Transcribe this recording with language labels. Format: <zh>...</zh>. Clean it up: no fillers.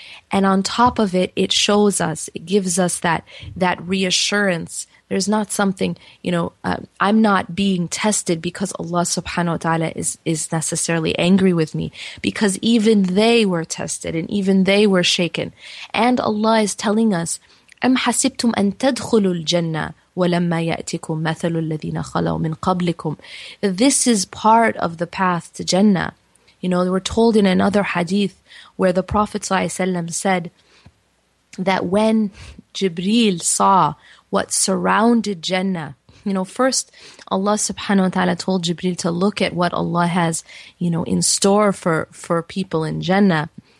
<en>And on top of it, it shows us, it gives us that reassurance. There's not something, you know, I'm not being tested because Allah subhanahu wa ta'ala is necessarily angry with me, because even they were tested and even they were shaken. And Allah is telling us,</en> <ar>أَمْ حَسِبْتُمْ أَن تَدْخُلُوا الْجَنَّةِ وَلَمَّا يَأْتِكُمْ مَثَلُ الَّذِينَ خَلَوْا مِنْ قَبْلِكُمْ.</ar> <en>This is part of the path to Jannah. You know, we're told in another hadith where the Prophet ﷺ said that when Jibreel saw what surrounded Jannah, you know, first Allah subhanahu wa ta'ala told Jibreel to look at what Allah has, you know, in store for people in Jannah.</en>